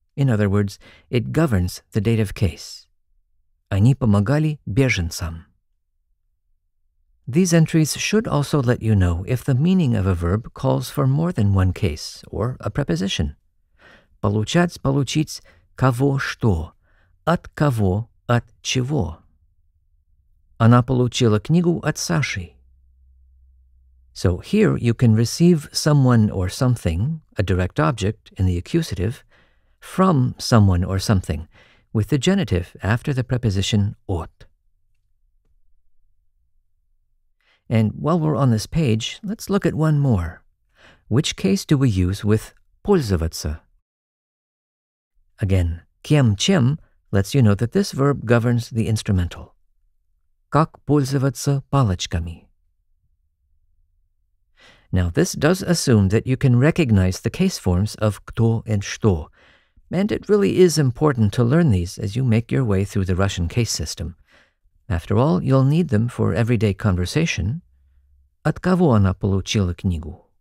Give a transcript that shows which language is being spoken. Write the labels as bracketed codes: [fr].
[en] In other words, it governs the dative case. [ru] «Они помогали беженцам». [en] These entries should also let you know if the meaning of a verb calls for more than one case, or a preposition. [ru] «Получать», «получить», «кого», «что», «от кого», «от чего». Она получила книгу от Саши. [en] So here you can receive someone or something, a direct object in the accusative, from someone or something, with the genitive after the preposition от. And while we're on this page, let's look at one more. Which case do we use with пользоваться? Again, кем, чем lets you know that this verb governs the instrumental. [ru] Как пользоваться палочками? [en] Now, this does assume that you can recognize the case forms of кто and что, and it really is important to learn these as you make your way through the Russian case system. After all, you'll need them for everyday conversation. [ru] От кого она получила книгу?